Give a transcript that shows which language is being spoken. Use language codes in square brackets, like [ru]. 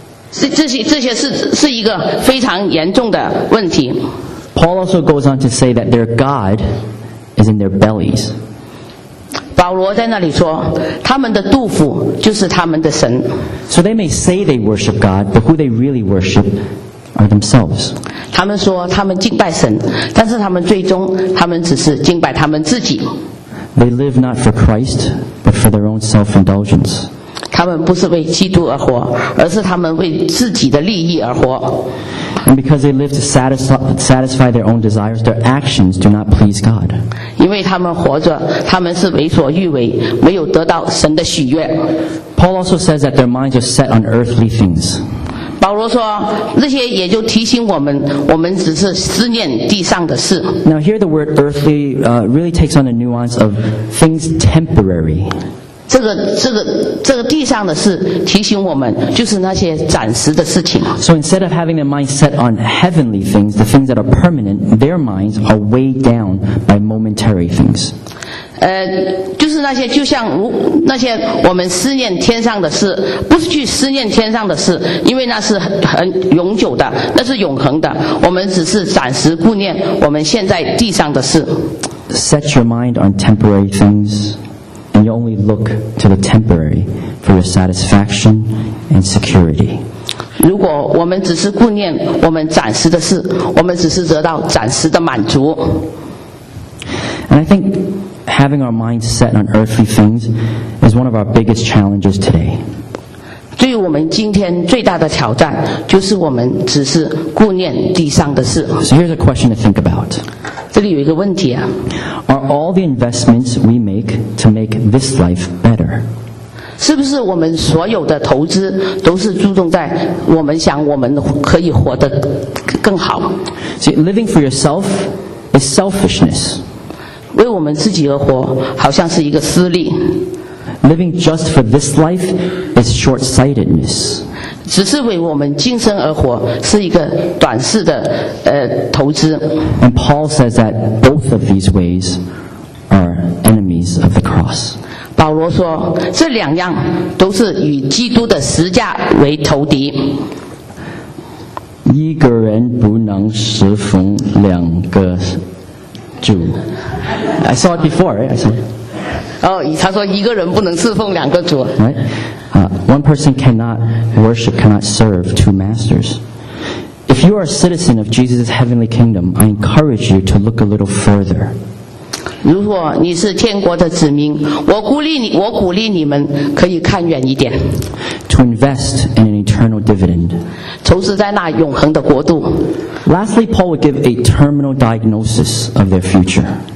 [zh] 这些 是一个非常严重的问题。 [en] Paul also goes on to say that their God is in their bellies. [zh] 保罗在那里说，他们的杜甫就是他们的神。 [en] So they may say they worship God, but who they really worship are themselves. [zh] 他们说他们敬拜神，但是他们最终他们只是敬拜他们自己。 [en] They live not for Christ, but for their own self-indulgence. [zh] 他们不是为基督而活，而是他们为自己的利益而活。 [en] And because they live to satisfy their own desires, their actions do not please God. [zh] 因为他们活着，他们是为所欲为，没有得到神的喜悦。 [en] Paul also says that their minds are set on earthly things. [zh] 保罗说，这些也就提醒我们，我们只是思念地上的事。 [en] Now here the word earthly really takes on the nuance of things temporary. [zh] 这个地上的事提醒我们，就是那些暂时的事情。 [en] So instead of having their minds set on heavenly things, the things that are permanent, their minds are weighed down by momentary things. [zh] 就是那些就像那些我们思念天上的事，不是去思念天上的事，因为那是很永久的，那是永恒的。我们只是暂时顾念我们现在地上的事。 [en] Set your mind on temporary things. And you only look to the temporary for your satisfaction and security. [zh] 如果我们只是顾念我们暂时的事，我们只是得到暂时的满足。 [en] And I think having our minds set on earthly things is one of our biggest challenges today. [zh] 对于我们今天最大的挑战，就是我们只是顾念地上的事。 [en] So here's a question to think about. [zh] 这里有一个问题啊。 [en] Are all the investments we make to make this life better? [zh] 是不是我们所有的投资都是注重在我们想我们可以活得更好？ [en] See, living for yourself is selfishness. [zh] 为我们自己而活好像是一个私利。 [en] Living just for this life is short-sightedness. [zh] 只是为我们今生而活是一个短视的投资。 [en] And Paul says that both of these ways are enemies of the cross. [zh] 保罗说，这两样都是与基督的十字架为仇敌。一个人不能侍奉两个主。 [en] I saw it before, right? I saw it. [zh] 他说一个人不能侍奉两个主。 [en] Right? One person cannot worship, cannot serve two masters. If you are a citizen of Jesus' heavenly kingdom, I encourage you to look a little further. [zh] 如果你是天国的子民，我鼓励你们可以看远一点。 [en] To invest in an eternal dividend. [zh] 投资在那永恒的国度。 [en] Lastly, Paul would give a terminal diagnosis of their future.